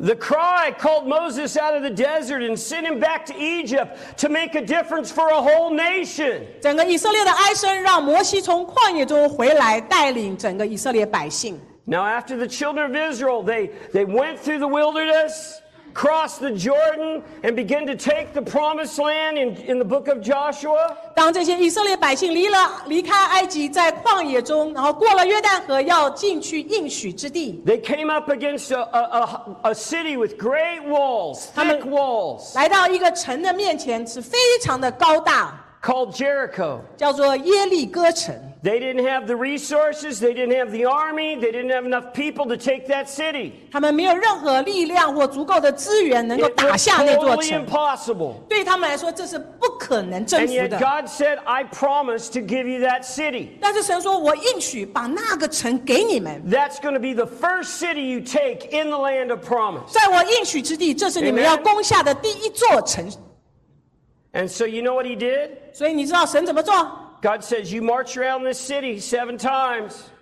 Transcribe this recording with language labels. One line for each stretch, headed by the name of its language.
English: The cry called Moses out of the desert and sent him back to Egypt to make a difference for a whole nation.
Chinese: 整个以色列的哀声让摩西从旷野中回来，带领整个以色列百姓。
English: Now after the children of Israel, they went through the wilderness, crossed the Jordan, and began to take the promised land in the book of Joshua.
Chinese: 当这些以色列百姓离开埃及，在旷野中，然后过了约旦河，要进去应许之地。
English: They came up against a city with great walls, thick walls.
Chinese: 来到一个城的面前，是非常的高大。
English: Called Jericho.
Chinese: 叫做耶利哥城。
English: They didn't have the resources, they didn't have the army, they didn't have enough people to take that city.
Chinese: 他们没有任何力量或足够的资源能够打下那座城。
English: It was totally impossible.
Chinese: 对他们来说，这是不可能征服的。
English: And yet God said, I promise to give you that city.
Chinese: 但是神说，我应许把那个城给你们。
English: That's going to be the first city you take in the land of promise.
Chinese: 在我应许之地，这是你们要攻下的第一座城。
English: And so you know what he did?
Chinese: 所以你知道神怎么做？
English: God says, you march around this city 7 times.